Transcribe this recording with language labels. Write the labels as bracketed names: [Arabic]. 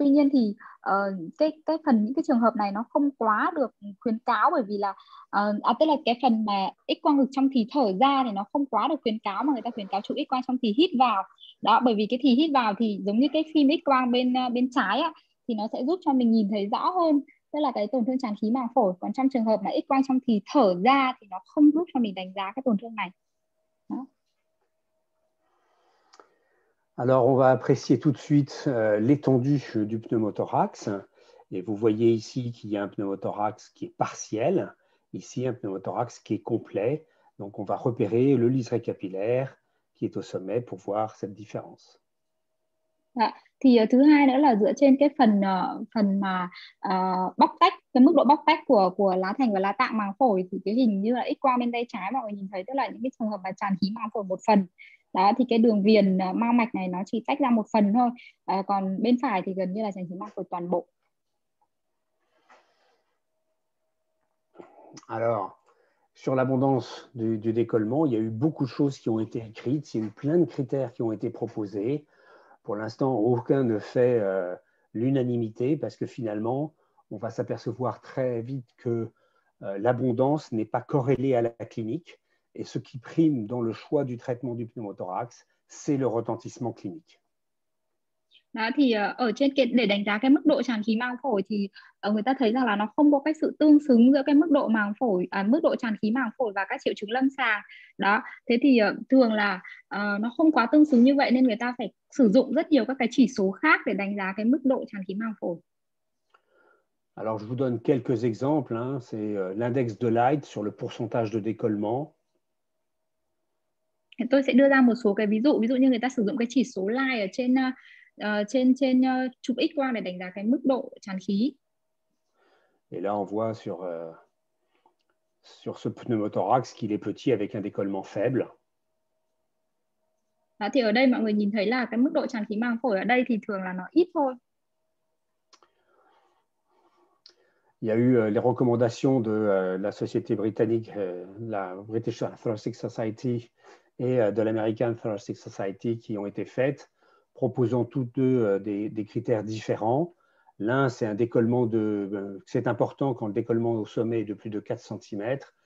[Vietnamese] Tuy nhiên thì cái phần những cái trường hợp này nó không quá được khuyến cáo, bởi vì là tức là cái phần mà X quang ngực trong thí thở ra thì nó không quá được khuyến cáo, mà người ta khuyến cáo chụp X quang trong thí hít vào đó, bởi vì cái thí hít vào thì giống như cái phim X quang bên bên trái á, thì nó sẽ giúp cho mình nhìn thấy rõ hơn, tức là cái tổn thương tràn khí màng phổi. Còn trong trường hợp mà X quang trong thì thở ra thì nó không giúp cho mình đánh giá cái tổn thương này. Đó. [French] Alors on va apprécier tout de suite l'étendue du pneumothorax, et vous voyez ici qu'il y a un pneumothorax qui est partiel, ici un pneumothorax qui est complet. Donc on va repérer le liseré capillaire qui est au sommet pour voir cette différence. [Vietnamese] Đó. Thì thứ hai nữa là dựa trên cái phần phần mà bóc tách, cái mức độ bóc tách của lá thành và lá tạng màng phổi, thì cái hình như là X quang bên tay trái mọi người nhìn thấy, tức là những cái trường hợp mà tràn khí màng phổi một phần đó, thì cái đường viền mao mạch này nó chỉ tách ra một phần thôi, còn bên phải thì gần như là tràn khí màng phổi toàn bộ. [French] Alors sur l'abondance du décollement, il y a eu beaucoup de choses qui ont été écrites, il y a eu plein de critères qui ont été proposés. Pour l'instant, aucun ne fait l'unanimité, parce que finalement, on va s'apercevoir très vite que l'abondance n'est pas corrélée à la clinique. Et ce qui prime dans le choix du traitement du pneumothorax, c'est le retentissement clinique. [Vietnamese] Đó, thì ở trên cái, để đánh giá cái mức độ tràn khí màng phổi thì người ta thấy rằng là nó không có cái sự tương xứng giữa cái mức độ màng phổi mức độ tràn khí màng phổi và các triệu chứng lâm sàng đó. Thế thì thường là nó không quá tương xứng như vậy, nên người ta phải sử dụng rất nhiều các cái chỉ số khác để đánh giá cái mức độ tràn khí màng phổi. [French] Alors je vous donne quelques exemples hein. C'est l'index de Light sur le pourcentage de décollement. [Vietnamese] Tôi sẽ đưa ra một số cái ví dụ như người ta sử dụng cái chỉ số Light ở trên chụp X quang để đánh giá cái mức độ tràn khí. [French] Et là on voit sur ce pneumothorax qu'il est petit avec un décollement faible. [Vietnamese] Đó, thì ở đây mọi người nhìn thấy là cái mức độ tràn khí màng phổi ở đây thì thường là nó ít thôi. [French] Il y a eu les recommandations de la société britannique, la British Thoracic Society et de l'American Thoracic Society qui ont été faites, proposant tous deux des critères différents. L'un, c'est un décollement de... C'est important quand le décollement au sommet est de plus de 4 cm.